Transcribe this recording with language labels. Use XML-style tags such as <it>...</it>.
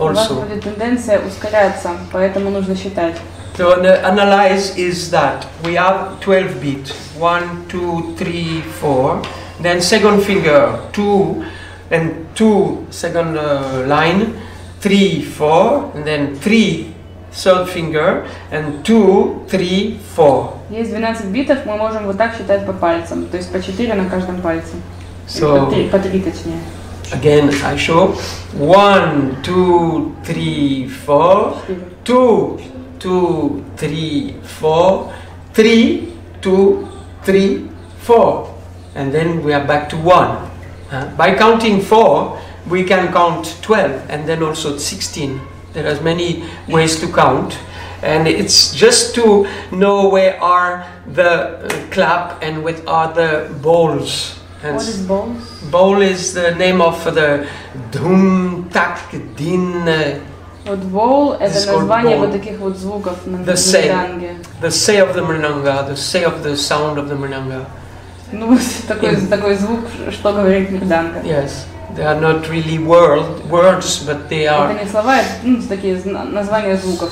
<ru>У вас будет тенденция ускоряться, поэтому нужно считать.</ru> <en>So the analyze is that we have 12 beats. 1, 2, 3, 4. Then second finger, 2, and 2 second line, 3, 4, and then 3. Third finger and 2, 3, 4.</en> <ru>Есть 12 битов, мы можем вот так считать по пальцам, то есть по 4 на каждом пальце.</ru> <en>So,</en> <ru>по 3 точнее.</ru> <en>Again, I show 1, 2, 3, 4. 2, 2, 3, 4. 3, 2, 3, 4. And then we are back to 1. By counting 4, we can count 12 and then also 16. There are many ways to count, and it's just to know where are the clap and what are the bowls. And what is bowls? Bowl is the name of the dhum tak din.</en> <ru>Вот bowl это название вот таких вот звуков на мринанге.</ru> <en>The say of the mrinanga, the say of the sound of the mrinanga.</en> <ru>Ну такой звук, что говорит мринанга.</ru> <en>Yes. They are not really words, but they are.</en> <ru>Это не слова, это такие названия звуков.</ru>